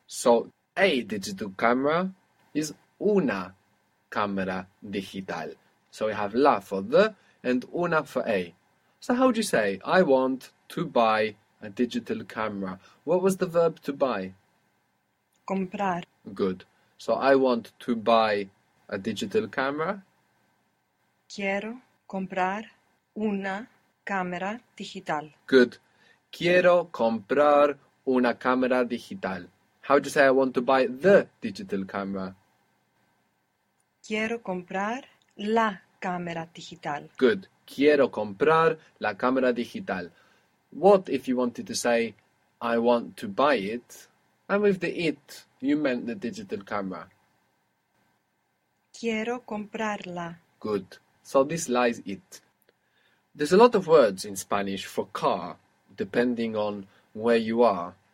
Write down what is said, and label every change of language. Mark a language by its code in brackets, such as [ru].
[en] So a digital camera is [es] una cámara digital. [en] So we have la for the and una for a. So how would you say, I want to buy a digital camera? What was the verb to buy? [es] Comprar. [en] Good. So I want to buy a digital camera. [es] Quiero comprar una cámara digital. [en] Good. [es] Quiero comprar una cámara digital. [en] How do you say I want to buy the digital camera? [es] Quiero comprar la cámara digital. [en] Good. [es] Quiero comprar la cámara digital. [en] What if you wanted to say, I want to buy it? And with the it, you meant the digital camera. [es] Quiero comprarla. [en] Good. So this lies it. There's a lot of words in Spanish for car, depending on where you are.